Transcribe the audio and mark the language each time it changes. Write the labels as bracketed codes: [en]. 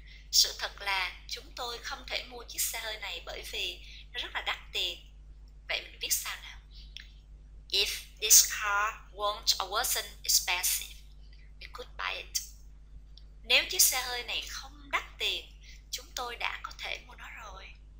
[vi] Sự thật là chúng tôi không thể mua chiếc xe hơi này bởi vì nó rất là đắt tiền. Vậy mình viết sao nào? [en] If this car weren't or wasn't expensive, we could buy it. [vi] Nếu chiếc xe hơi này không đắt tiền, chúng tôi đã có thể mua nó rồi.